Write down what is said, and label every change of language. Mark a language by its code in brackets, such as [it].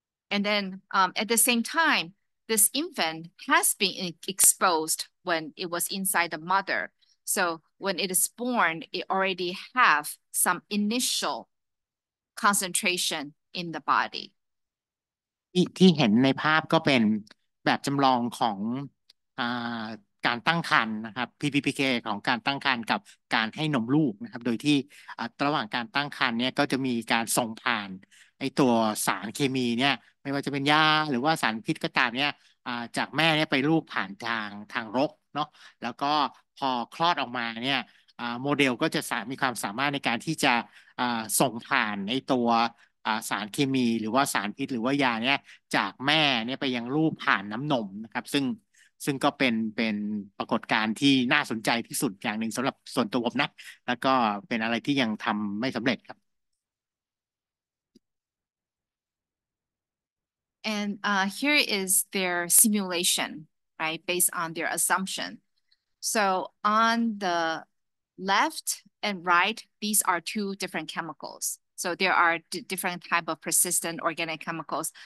[en] And then at the same time, this infant has been exposed when it was inside the mother. So when it is born, it already have some initial concentration in the body. [th] ที่เห็นในภาพก็เป็นแบบจำลองของการตั้งครรภ์นะครับ PBPK ของการตั้งครรภ์กับการให้นมลูกนะครับโดยที่ระหว่างการตั้งครรภ์เนี่ยก็จะมีการส่งผ่านไอตัวสารเคมีเนี่ยไม่ว่าจะเป็นยาหรือว่าสารพิษก็ตามเนี่ยจากแม่เนี่ยไปลูกผ่านทางรกเนาะแล้วก็พอคลอดออกมาเนี่ยโมเดลก็จะมีความสามารถในการที่จะ ส่งผ่านในตัวสารเคมีหรือว่าสารพิษหรือว่ายาเนี่ยจากแม่เนี่ยไปยังลูกผ่านน้ำนมนะครับซึ่งก็เป็นปรากฏการณ์ที่น่าสนใจที่สุดอย่างหนึ่งสำหรับส่วนตัวผมนะแล้วก็เป็นอะไรที่ยังทำไม่สำเร็จครับ [en] and here is their simulation right based on their assumptionSo on the left and right, these are two different chemicals. So there are different type of persistent organic chemicals.